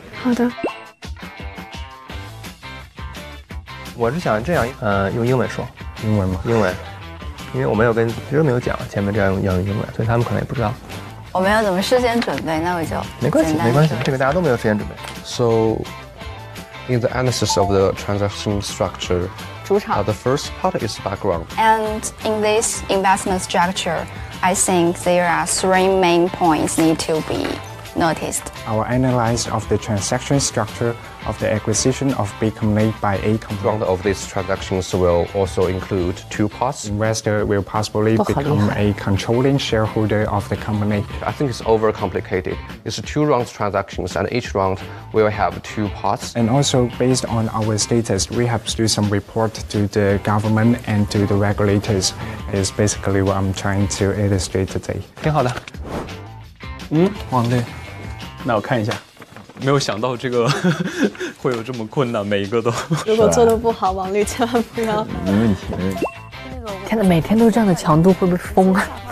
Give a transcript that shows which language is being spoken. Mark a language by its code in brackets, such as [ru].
[zh] 好的。我是想这样，用英文说。英文吗？英文，因为我没有跟，其实没有讲前面这样用英文，所以他们可能也不知道。我没有怎么事先准备，那我就没关系，没关系，这个大家都没有事先准备。 [en] So, in the analysis of the transaction structure. The first part is background. And in this investment structure, I think there are three main points need to be noticed. Our analysis of the transaction structure of the acquisition of Beacon Lake by A company. Round of these transactions will also include two parts. Investor will possibly become a controlling shareholder of the company. I think it's overcomplicated. It's two round transactions and each round will have two parts. And also based on our status, we have to do some report to the government and to the regulators. It's basically what I'm trying to illustrate today. [zh] 挺好的。王队，那我看一下。没有想到这个会有这么困难，每一个都。如果做得不好，王律千万不要。没问题。天哪，每天都这样的强度，会不会疯啊？